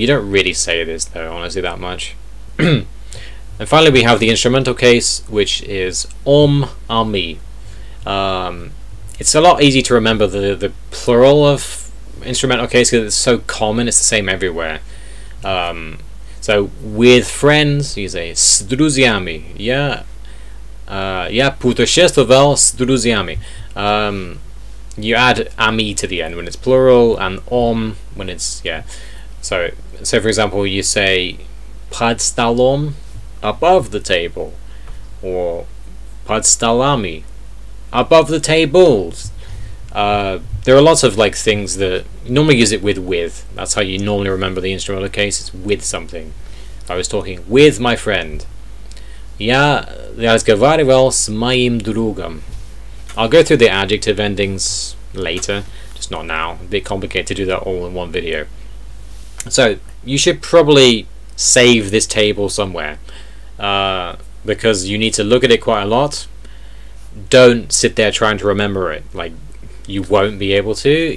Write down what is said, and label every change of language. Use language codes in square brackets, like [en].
[en] You don't really say this, though, honestly, that much. And finally, we have the instrumental case, which is om ami. it's a lot easier to remember the plural of instrumental case because it's so common, it's the same everywhere. So with friends, you say s druzyami. [ru] Я путешествовал с друзьями. [en] You add ami to the end when it's plural, and om when it's, yeah. So for example, you say [ru] под столом, [en] above the table, or [ru] под столами, [en] above the tables. There are lots of like things that you normally use it with. That's how you normally remember the instrumental case, it's with something. I was talking with my friend. [ru] Я разговаривал с моим другом. [en] I'll go through the adjective endings later, just not now. A bit complicated to do that all in one video. So you should probably save this table somewhere, because you need to look at it quite a lot. Don't sit there trying to remember it, like you won't be able to.